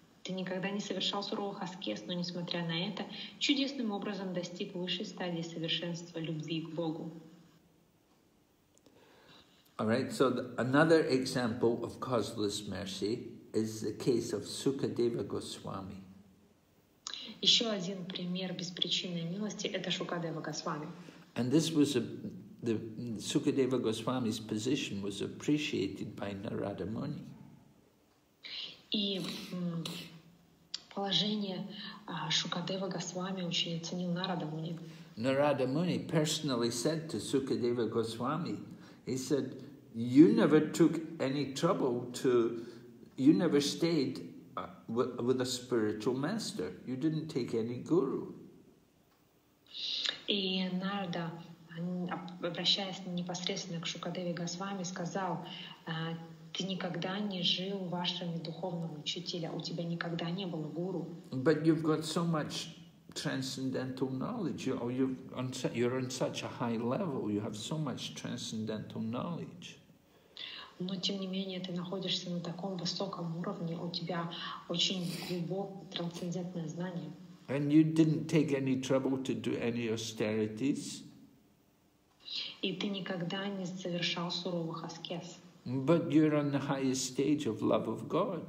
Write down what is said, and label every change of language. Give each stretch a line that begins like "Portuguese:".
Russian: Ты никогда не совершал суровых аскез, но, несмотря на это, чудесным образом достиг высшей стадии совершенства любви к Богу.
English: All right, so another example of causeless mercy is the case of Sukadeva Goswami.
Russian: Еще один пример беспричинной милости – это Шукадева Госвами.
English: And this was Sukadeva Goswami's position was appreciated by Narada Muni.
Russian: И положение Шукадева Госвами очень оценил Нарада Муни.
English: Нарада Муни personally said to Sukadeva Goswami, he said, "You never took any trouble to, you never stayed with a spiritual master. You didn't take any guru."
Russian: И Нарада, обращаясь непосредственно к Шукадеве Госвами, сказал: ты никогда не жил вашим духовным учителем, у тебя никогда не было гуру.
English: But you've got so much transcendental knowledge. You're on such a high level. You have so much transcendental knowledge.
Russian: Но тем не менее ты находишься на таком высоком уровне, у тебя очень глубокое трансцендентное знание.
English: And you didn't take any trouble to do any austerities.
Russian: И ты никогда не совершал суровых аскез.
English: But you're on the highest stage of love of God.